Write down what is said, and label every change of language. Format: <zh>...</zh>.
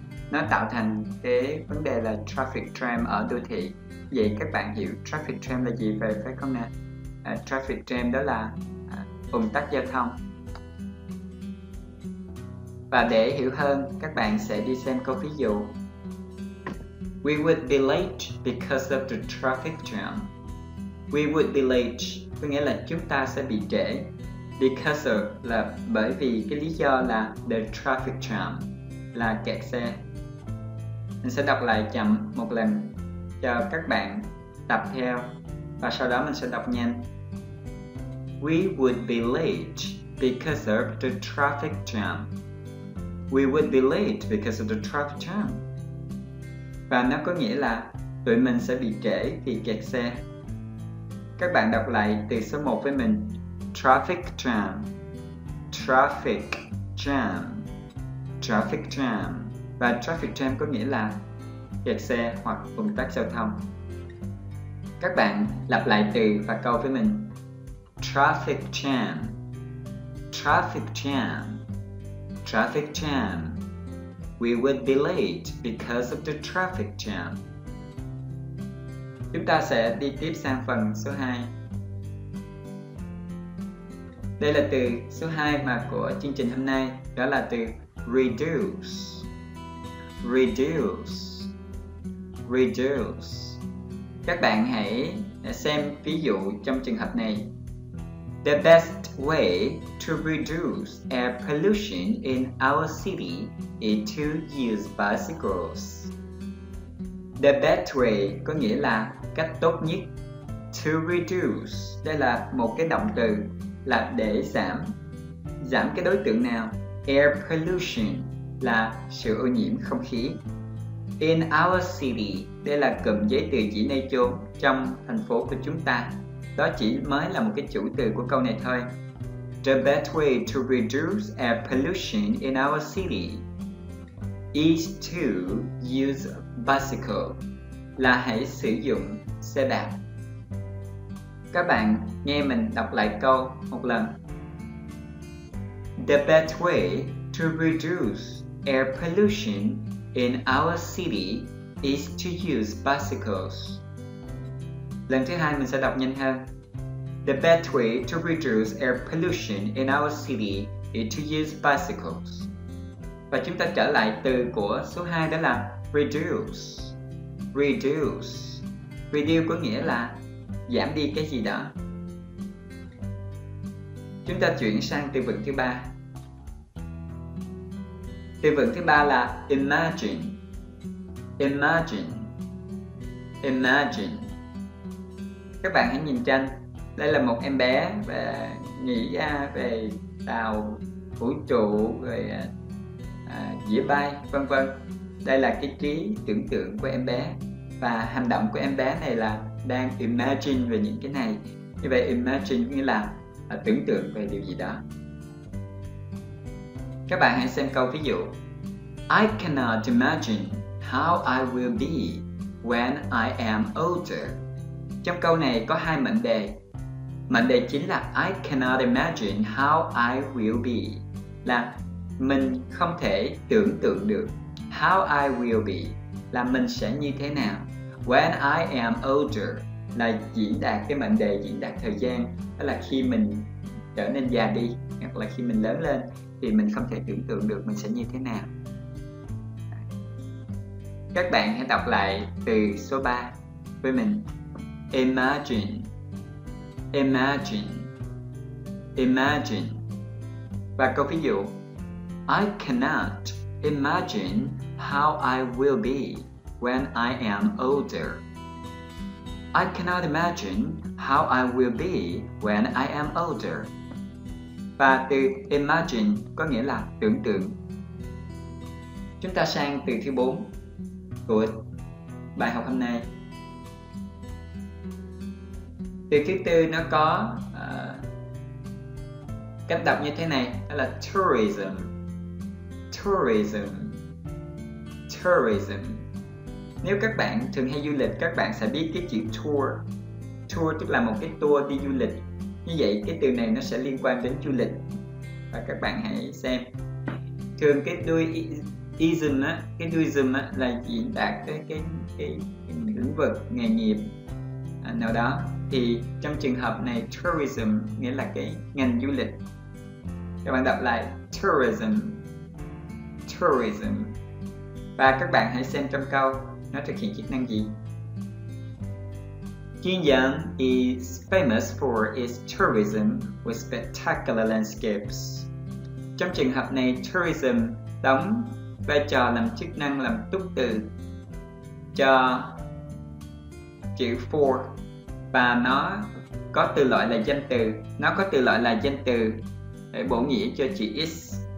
<vi>Nó tạo thành cái vấn đề là traffic jam ở đô thị. Vậy các bạn hiểu traffic jam là gì phải không nè? Traffic jam đó là ùn tắc giao thông. Và để hiểu hơn, các bạn sẽ đi xem câu ví dụ.</vi> <en>We would be late because of the traffic jam. We would be late</en> <vi>có nghĩa là chúng ta sẽ bị trễ.</vi> <en>Because of</en> <vi>là bởi vì cái lý do là</vi> <en>the traffic jam,</en> <vi>là kẹt xe. Mình sẽ đọc lại chậm một lần cho các bạn tập theo, và sau đó mình sẽ đọc nhanh.</vi> <en>We would be late because of the traffic jam. We would be late because of the traffic jam.</en> <vi>Và nó có nghĩa là tụi mình sẽ bị trễ vì kẹt xe. Các bạn đọc lại từ số 1 với mình. Traffic jam, traffic jam, traffic jam. Và traffic jam có nghĩa là kẹt xe hoặc ùn tắc giao thông. Các bạn lặp lại từ và câu với mình.</vi> <en>Traffic jam, traffic jam, traffic jam. We would be late because of the traffic jam.</en> <vi>Chúng ta sẽ đi tiếp sang phần số 2. Đây là từ số 2 mà của chương trình hôm nay, đó là từ reduce.</vi> <en>Reduce. Reduce.</en> <vi>Các bạn hãy xem ví dụ trong trường hợp này.</vi> <en>The best way to reduce air pollution in our city is to use bicycles. The best way</en> <vi>có nghĩa là cách tốt nhất.</vi> <en>To reduce,</en> <vi>đây là một cái động từ, là để giảm cái đối tượng nào. Air pollution là sự ô nhiễm không khí.</vi> <en>In our city,</en> <vi>đây là cụm giấy từ chỉ nơi chốn, trong thành phố của chúng ta. Đó chỉ mới là một cái chủ từ của câu này thôi.</vi> <en>The best way to reduce air pollution in our city is to use bicycle,</en> <vi>là hãy sử dụng xe đạp. Các bạn nghe mình đọc lại câu một lần.</vi> <en>The best way to reduce air pollution in our city is to use bicycles.</en> <vi>Lần thứ hai mình sẽ đọc nhanh hơn.</vi> <en>The best way to reduce air pollution in our city is to use bicycles.</en> <vi>Và chúng ta trở lại từ của số 2 đó là reduce. Reduce. Reduce có nghĩa là giảm đi cái gì đó. Chúng ta chuyển sang từ vựng thứ 3. Từ vựng thứ 3 là imagine. Imagine. Imagine. Các bạn hãy nhìn tranh. Đây là một em bé và nghĩ ra về tàu vũ trụ, về dĩa bay, vân vân. Đây là cái trí tưởng tượng của em bé, và hành động của em bé này là đang imagine về những cái này. Như vậy imagine nghĩa là tưởng tượng về điều gì đó. Các bạn hãy xem câu ví dụ.</vi> <en>I cannot imagine how I will be when I am older.</en> <vi>Trong câu này có hai mệnh đề. Mệnh đề chính là</vi> <en>I cannot imagine how I will be,</en> <vi>là mình không thể tưởng tượng được.</vi> <en>How I will be</en> <vi>là mình sẽ như thế nào.</vi> <en>When I am older</en> <vi>là diễn đạt cái mệnh đề, diễn đạt thời gian, đó là khi mình trở nên già đi, hoặc là khi mình lớn lên, thì mình không thể tưởng tượng được mình sẽ như thế nào. Các bạn hãy đọc lại từ số 3 với mình. Imagine. Imagine. Imagine. Và câu ví dụ.</vi> <en>I cannot imagine how I will be when I am older. I cannot imagine how I will be when I am older.</en> <vi>và từ imagine có nghĩa là tưởng tượng. Chúng ta sang từ thứ 4 của bài học hôm nay. Từ thứ 4 nó có cách đọc như thế này, đó là tourism. Tourism. Tourism. Nếu các bạn thường hay du lịch, các bạn sẽ biết cái chữ tour. Tour tức là một cái tour đi du lịch. Như vậy cái từ này nó sẽ liên quan đến du lịch. Và các bạn hãy xem, thường cái đuôi ism á, cái đuôi ism á là diễn đạt cái lĩnh vực nghề nghiệp nào đó. Thì trong trường hợp này tourism nghĩa là cái ngành du lịch. Các bạn đọc lại tourism. Tourism. Và các bạn hãy xem trong câu nó thực hiện chức năng gì.</vi> <en>Jinjiang is famous for its tourism with spectacular landscapes.</en> <vi>Trong trường hợp này, tourism đóng vai trò làm chức năng làm túc từ cho chữ for, và nó có từ loại là danh từ. Nó có từ loại là danh từ để bổ nghĩa cho chữ is.</vi>